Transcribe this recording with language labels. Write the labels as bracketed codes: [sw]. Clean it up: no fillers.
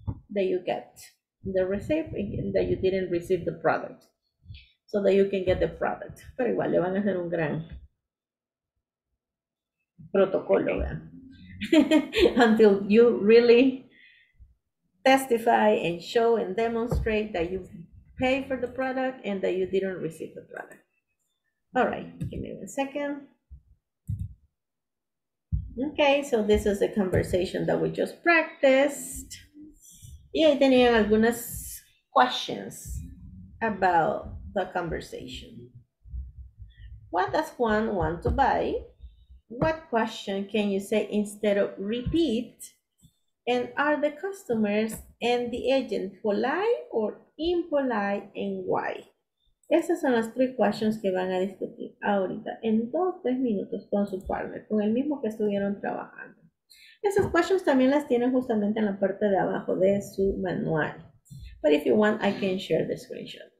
[en] that you get the receipt, that you didn't receive the product, so that you can get the product. [es] Pero igual le van a hacer un gran protocolo, ¿verdad? [en] Until you really testify and show and demonstrate that you pay for the product and that you didn't receive the product. All right, give me one second. Okay, so this is the conversation that we just practiced. [es] Y ahí tenían algunas questions [en] about the conversation. What does Juan want to buy? What question can you say instead of repeat? And are the customers and the agent polite or impolite and why? [es] Esas son las tres questions que van a discutir ahorita en dos, tres minutos con su partner, con el mismo que estuvieron trabajando. Esas questions también las tienen justamente en la parte de abajo de su manual. [en] But if you want, I can share the screenshot.